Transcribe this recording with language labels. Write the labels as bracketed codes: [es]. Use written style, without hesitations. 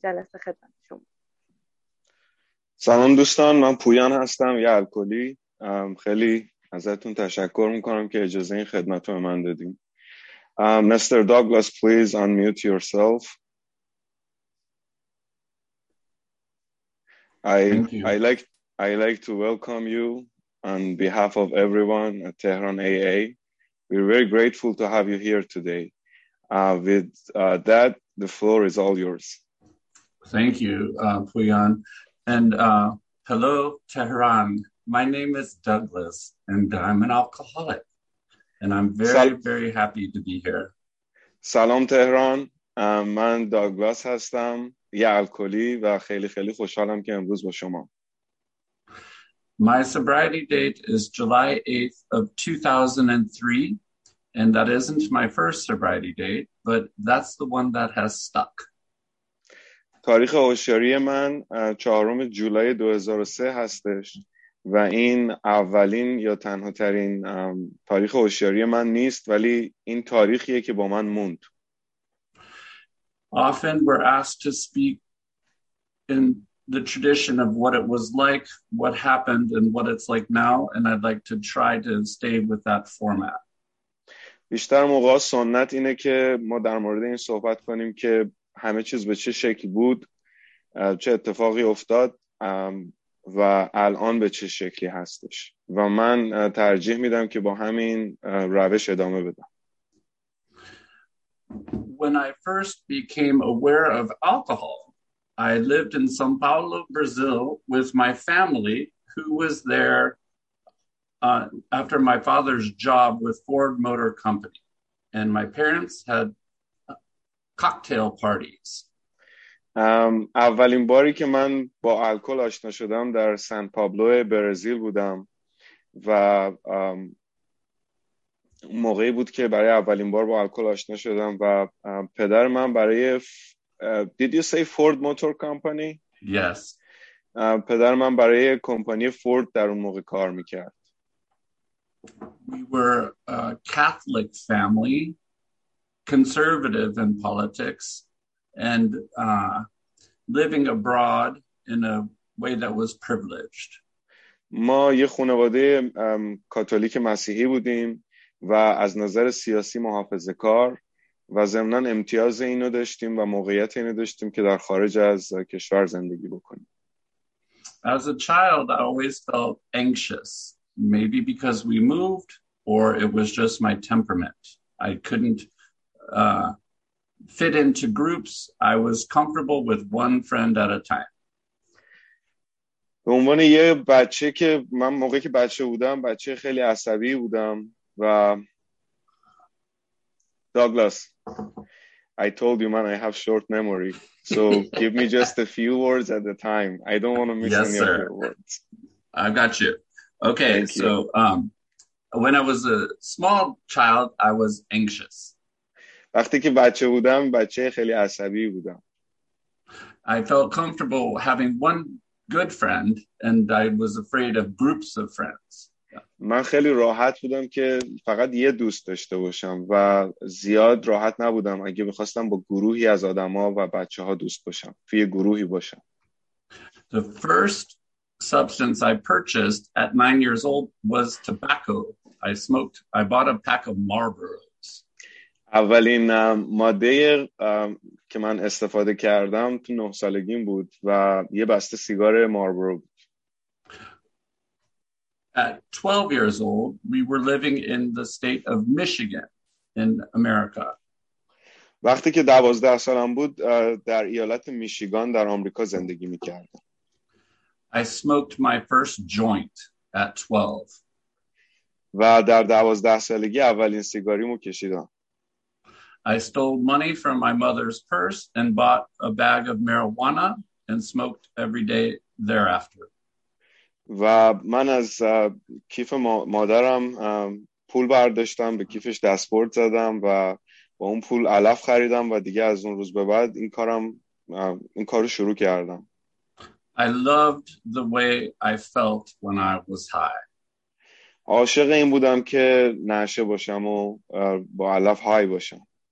[fa] جلسه خدمت شما. سلام دوستان، من پویان هستم، یه الکلی. خیلی ازتون تشکر میکنم که اجازه این خدمت رو به من دادیم. [en] Mister Douglas, please unmute yourself. Thank you. I like to welcome you on behalf of everyone at Tehran AA. We're very grateful to have you here today. With that, the floor is all yours. Thank you, Pouyan. And hello, Tehran. My name is Douglas, and I'm an alcoholic. And I'm very happy to be here. [fa] Salam, Tehran. من داگلاس هستم، یه الکلی، و خیلی خیلی خوشحالم که امروز با شما. [en] My sobriety date is July 8th of 2003, and that isn't my first sobriety date, but that's the one that has stuck. [fa] تاریخ هوشیاری من 4 جولای 2003 هستش و این اولین یا تنها ترین تاریخ هوشیاری من نیست، ولی این تاریخیه که با من موند. [en] Often we're asked to speak in the tradition of what it was like, what happened, and what it's like now, and I'd like to try to stay with that format. [fa] بیشتر موقع سنت اینه که ما در مورد این صحبت کنیم که همه چیز به چه شکل بود، چه اتفاقی افتاد، و الان به چه شکلی هستش. و من ترجیح میدم که با همین روش ادامه بدم. [en] When I first became aware of alcohol, I lived in São Paulo, Brazil, with my family, who was there after my father's job with Ford Motor Company, and my parents had cocktail parties. [fa] اولین باری که من با الکل آشنا شدم در سان پابلو برزیل بودم و موقعی بود که برای اولین بار با الکل آشنا شدم و پدر من برای [en] Did you say Ford Motor Company? Yes. [fa] پدر من برای کمپانی فورد در اون موقع کار میکرد. [en] We were a Catholic family, conservative in politics, and living abroad in a way that was privileged. [fa] ما یه خانواده کاتولیک مسیحی بودیم و از نظر سیاسی محافظه کار، و ضمناً امتیاز اینو داشتیم و موقعیت اینو داشتیم که در خارج از کشور زندگی بکنیم. [en] As a child, I always felt anxious. Maybe because we moved, or it was just my temperament. I couldn't fit into groups. I was comfortable with one friend at a time. [fa] به عنوان یه بچه که من موقعی که بچه بودم، بچه خیلی عصبی بودم. [en] و Douglas, I told you, man, I have short memory. So give me just a few words at a time. I don't want to miss any of your words. I've got you. Okay, thank so you. When I was a small child, I was anxious. [fa] وقتی که بچه بودم، بچه خیلی عصبی بودم. [en] I felt comfortable having one good friend, and I was afraid of groups of friends. [fa] من خیلی راحت بودم که فقط یه دوست داشته باشم و زیاد راحت نبودم اگه بخواستم با گروهی از آدما و بچه‌ها دوست باشم، توی گروهی باشم. [en] The first substance I purchased at 9 years old was tobacco. I bought a pack of Marlboros. [fa] اولین ماده که من استفاده کردم تو 9 سالگیم بود و یه بسته سیگار ماربرو. [en] At 12 years old, we were living in the state of Michigan in America. [fa] وقتی که 12 سالم بود، در ایالت میشیگان در آمریکا زندگی می‌کردم. [en] I smoked my first joint at 12. [fa] و در 12 سالگی اولین سیگاریمو کشیدم. [en] I stole money from my mother's purse and bought a bag of marijuana and smoked every day thereafter. [fa] و من از کیف مادرم پول برداشتم، به کیفش دستبرد زدم و با اون پول علف خریدم و دیگه از اون روز به بعد این کارو شروع کردم. [en] I loved the way I felt when I was high. [fa] عاشق این بودم که نشه باشم و با علف های باشم.